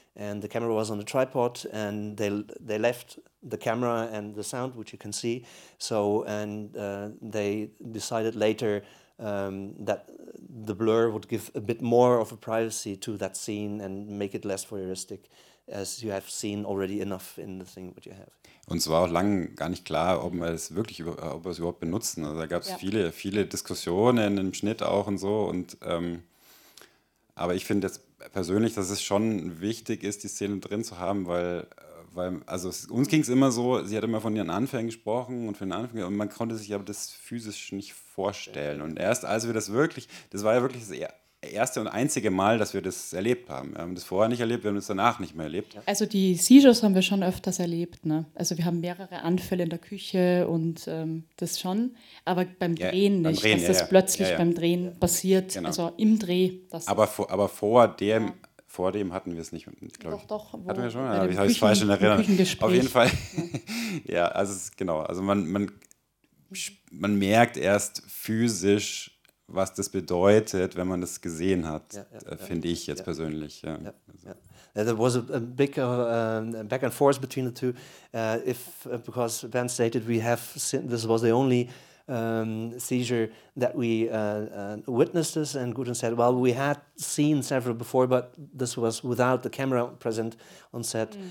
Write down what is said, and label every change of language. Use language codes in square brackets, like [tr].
[en] And the camera was on a tripod, and they left the camera and the sound, which you can see. So, and they decided later that the blur would give a bit more of a privacy to that scene and make it less voyeuristic, as you have seen already enough in the thing what you have. [de] Und es war auch lange gar nicht klar, ob wir es wirklich, ob wir es überhaupt benutzen. Also da gab es viele, viele Diskussionen im Schnitt auch und so. Und aber ich finde jetzt persönlich, dass es schon wichtig ist, die Szene drin zu haben, weil also es, uns ging es immer so, sie hat immer von ihren Anfängen gesprochen und von den Anfängen, und man konnte sich aber das physisch nicht vorstellen. Und erst als wir das wirklich, das war ja wirklich das erste und einzige Mal, dass wir das erlebt haben. Wir haben das vorher nicht erlebt, wir haben es danach nicht mehr erlebt. Also die Seizures haben wir schon öfters erlebt, ne? Also wir haben mehrere Anfälle in der Küche und das schon, aber beim Drehen beim nicht, Drehen, dass das plötzlich beim Drehen passiert, genau. Also im Dreh. Das aber vor dem vor dem hatten wir es nicht, glaube ich. Doch, doch. Hatten wir schon, habe ich es falsch in Erinnerung. Auf jeden Fall, ja, also es, genau, also man merkt erst physisch, was das bedeutet, wenn man das gesehen hat, finde ich jetzt persönlich. [en] There was a big back and forth between the two, because Ben stated we have seen, this was the only seizure that we witnessed this, and Gudrun said, well, we had seen several before, but this was without the camera present on set.